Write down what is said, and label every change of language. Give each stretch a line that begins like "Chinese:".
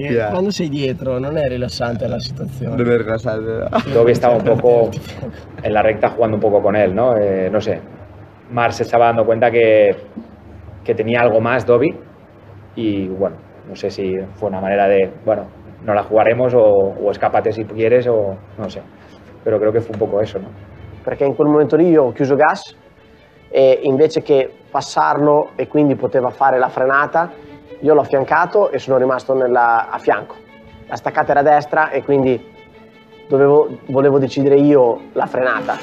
Italian: Quando sei dietro non è rilassante la situazione. Non è rilassante. Dove stava
Spanish: un poco en la recta jugando un poco con él, ¿no? No sé, Marc se estaba dando cuenta que tenía algo más Dovi y bueno, no sé si fue una manera de, bueno, no la jugaremos o escápate si quieres o no sé, pero creo que fue un poco eso, ¿no? Porque en
Italian: quel momento lì yo ho chiuso gas e invece che passarlo e quindi poteva fare la frenata, io l'ho affiancato e sono rimasto a fianco. La staccata era a destra e quindi volevo decidere io la frenata.